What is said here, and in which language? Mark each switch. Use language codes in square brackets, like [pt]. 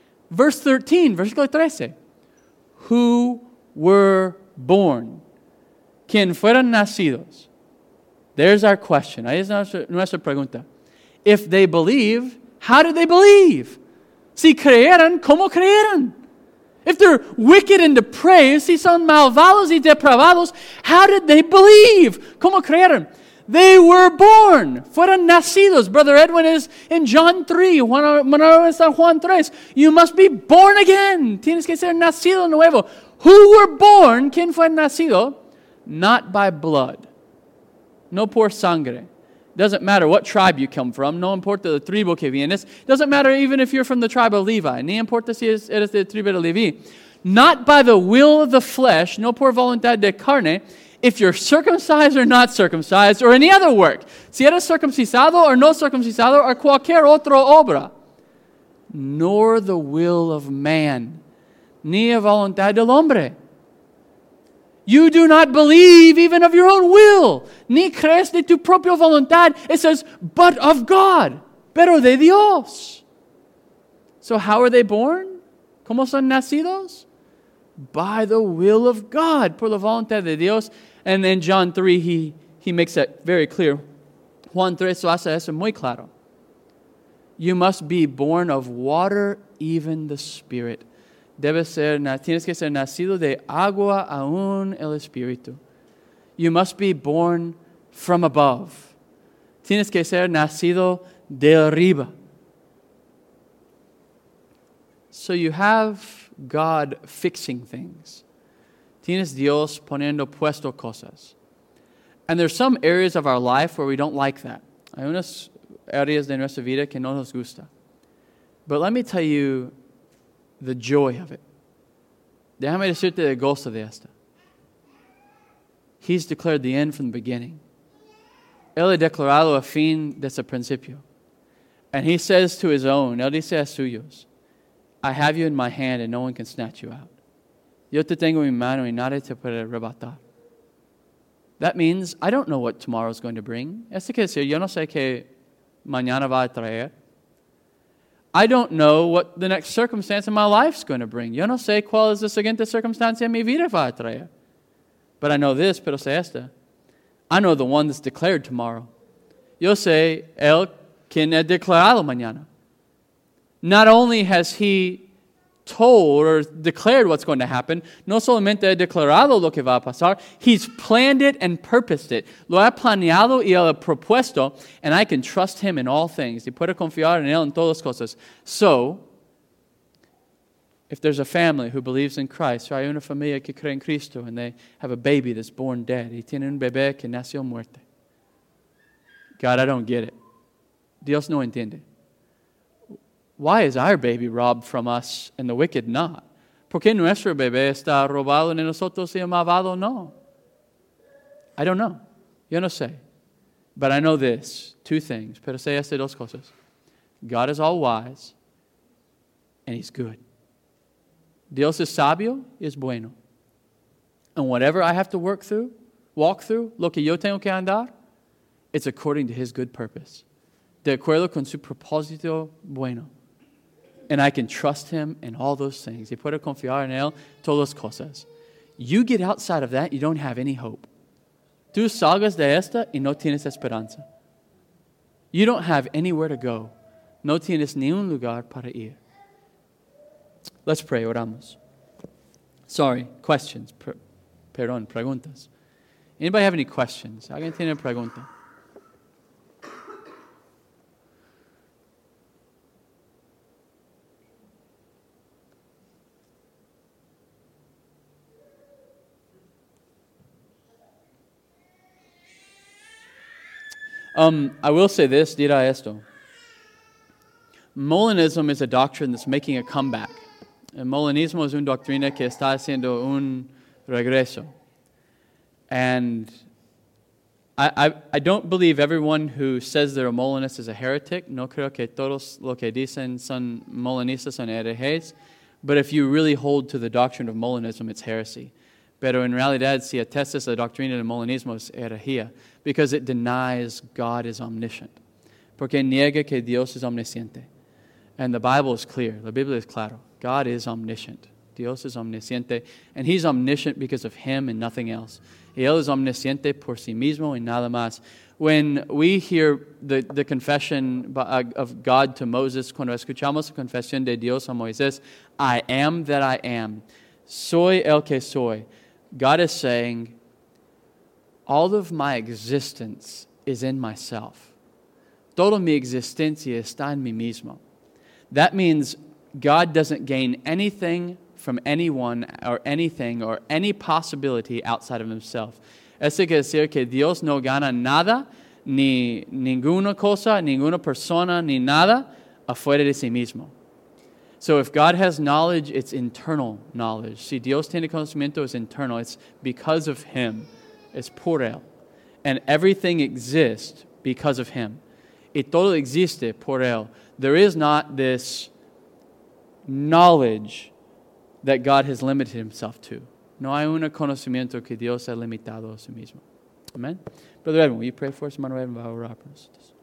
[en] Verse 13, [es] versículo 13. [en] Who were born? [es] ¿Quién fueron nacidos? [en] There's our question. [es] Ahí es nuestra pregunta. [en] If they believe, how did they believe? [es] Si creyeron, ¿cómo creyeron? [en] If they're wicked and depraved, [es] si son malvados y depravados, [en] how did they believe? [es] ¿Cómo creyeron? [en] They were born. [es] Fueron nacidos. [en] Brother Edwin is in John 3. Manuel is in Juan 3. You must be born again. [es] Tienes que ser nacido nuevo. [en] Who were born? [es] ¿Quién fue nacido? [en] Not by blood. [es] No por sangre. [en] Doesn't matter what tribe you come from. [es] No importa la tribu que vienes. [en] Doesn't matter even if you're from the tribe of Levi. [es] Ni importa si eres de la tribu de Levi. [en] Not by the will of the flesh. [es] No por voluntad de carne. [en] If you're circumcised or not circumcised, or any other work. [es] Si eres circuncisado or no circuncisado, or cualquier otra obra. [en] Nor the will of man. [es] Ni a voluntad del hombre. [en] You do not believe even of your own will. [es] Ni crees de tu propia voluntad. [en] It says, but of God. [es] Pero de Dios. [en] So how are they born? [es] ¿Cómo son nacidos? [en] By the will of God. [es] Por la voluntad de Dios. [en] And then John 3, he makes that very clear. [es] Juan 3, eso hace eso muy claro. [en] You must be born of water, even the Spirit. [es] Tienes que ser nacido de agua aún el Espíritu. [en] You must be born from above. [es] Tienes que ser nacido de arriba. [en] So you have God fixing things. [es] Tienes Dios poniendo puesto cosas. [en] And there's some areas of our life where we don't like that. [es] Hay unas áreas de nuestra vida que no nos gusta. [en] But let me tell you the joy of it. [es] Déjame decirte el gozo de esta. [en] He's declared the end from the beginning. [es] Él ha declarado el fin desde el principio. [en] And he says to his own, [es] él dice a suyos, [en] I have you in my hand and no one can snatch you out. [es] Yo te tengo en mi mano y nadie te puede arrebatar. [en] That means I don't know what tomorrow is going to bring. [es] Eso quiere decir, yo no sé qué mañana va a traer. [en] I don't know what the next circumstance in my life is going to bring. [es] Yo no sé cuál es la siguiente circunstancia en mi vida va a traer. [en] But I know this, [es] pero sé esta. [en] I know the one that's declared tomorrow. [es] Yo sé el quien ha declarado mañana. [en] Not only has he told or declared what's going to happen, [es] no solamente ha declarado lo que va a pasar, [en] he's planned it and purposed it. [es] Lo ha planeado y lo ha propuesto, [en] and I can trust him in all things. [es] Y puedo confiar en él en todas las cosas. [en] So, if there's a family who believes in Christ, [es] hay una familia que cree en Cristo, [en] and they have a baby that's born dead, [es] y tiene un bebé que nació muerto. [en] God, I don't get it. [es] Dios no entiende. [en] Why is our baby robbed from us and the wicked not? [es] ¿Por qué nuestro bebé está robado de nosotros y amado no? [en] I don't know. [es] Yo no sé. [en] But I know this, two things. [es] Pero sé estas dos cosas. [en] God is all wise and he's good. [es] Dios es sabio y es bueno. [en] And whatever I have to work through, walk through, [es] lo que yo tengo que andar, [en] it's according to his good purpose. [es] De acuerdo con su propósito bueno. [en] And I can trust him in all those things. [es] Y puedo confiar en él todas las cosas. [en] You get outside of that, you don't have any hope. [es] Tú salgas de esta y no tienes esperanza. [en] You don't have anywhere to go. [es] No tienes ni un lugar para ir. [en] Let's pray, [es] oramos. [en] Sorry, questions. [es] Perdón, preguntas. [en] Anybody have any questions? [es] ¿Alguien tiene pregunta? [en] I will say this, [es] dirá esto. [en] Molinism is a doctrine that's making a comeback. [es] El Molinismo es una doctrina que está haciendo un regreso. [en] And I don't believe everyone who says they're a Molinist is a heretic. [es] No creo que todos lo que dicen son Molinistas son herejes. [en] But if you really hold to the doctrine of Molinism, it's heresy. [es] Pero en realidad, si atestas la doctrina del Molinismo es herejía. [en] Because it denies God is omniscient. [es] Porque niega que Dios es omnisciente. [en] And the Bible is clear. [es] La Biblia es claro. [en] God is omniscient. [es] Dios es omnisciente. [en] And he's omniscient because of him and nothing else. [es] Y él es omnisciente por sí mismo y nada más. [en] When we hear the confession of God to Moses, [es] cuando escuchamos la confesión de Dios a Moisés, [en] I am that I am. [es] Soy el que soy. [en] God is saying, all of my existence is in myself. [es] Todo mi existencia está en mí mismo. [en] That means God doesn't gain anything from anyone or anything or any possibility outside of himself. [es] Eso quiere decir que Dios no gana nada, ni ninguna cosa, ninguna persona, ni nada, afuera de sí mismo. [en] So if God has knowledge, it's internal knowledge. [es] Si Dios tiene conocimiento, es internal. [en] It's because of him. [es] Es por él. [en] And everything exists because of him. [es] Y todo existe por él. [en] There is not this knowledge that God has limited himself to. [es] No hay un conocimiento que Dios ha limitado a sí mismo. [en] Amen. Brother Edwin, will you pray for us? [es] Hermano Edwin, va a orar por nosotros.